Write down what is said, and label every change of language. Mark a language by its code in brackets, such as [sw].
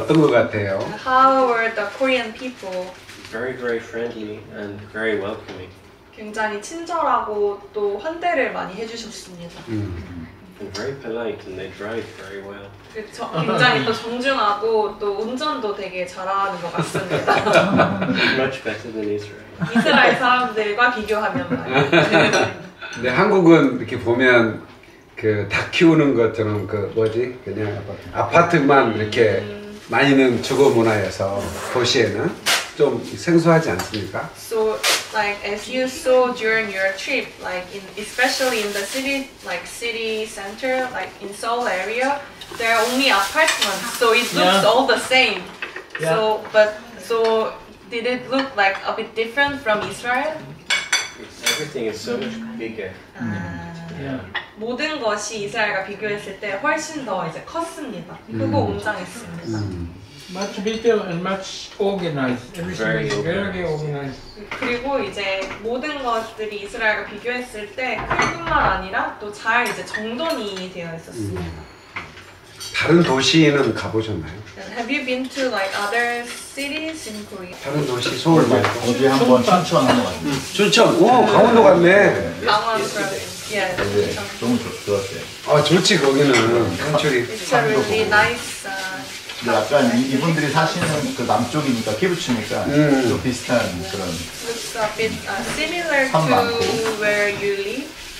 [ko] 한국 사람들은 어떤 것 같아요? [en] How were the Korean people? Very, very friendly and very welcoming. [ko] 굉장히 친절하고 또 환대를 많이 해주셨습니다. [en] And very polite and they drive very well. [ko] 굉장히 또 정중하고 또 운전도 되게 잘하는 것 같습니다. [en] Much better than Israel. [ko] 이스라엘 사람들과 비교하면 말이죠. 근데 한국은 이렇게 보면 그 닭 키우는 것처럼 그 뭐지? 그냥 아파트만 이렇게 많이는 주거 문화여서 도시에는 좀 생소하지 않습니까? [en] So like as you saw during your trip, like in especially in the city, like city center, like in Seoul area, there are only apartments, so it looks all the same. Yeah. So did it look like a bit different from Israel? Everything is so much bigger. Yeah. [ko] 모든 것이 이스라엘과 비교했을 때 훨씬 더 이제 컸습니다. 크고 웅장했습니다. [en] much detailed and much organized. Everything is very organized. [ko] 그리고 이제 모든 것들이 이스라엘과 비교했을 때 크기뿐만 아니라 또 잘 이제 정돈이 되어 있었습니다. 다른 도시에는 가보셨나요? [en] Have you been to like other cities in Korea? [ko] 다른 도시 서울 말고 어디 한번 춘천 한번 춘천. 오 강원도 갔네. 강원도 갔네. 예, 너무 좋았어요. 아 좋지 거기는 강철이. [en] It's a really nice. [ko] 약간 이분들이 사시는 그 남쪽이니까 키부츠니까 좀 비슷한 그런. [en] It's a bit similar to where you live.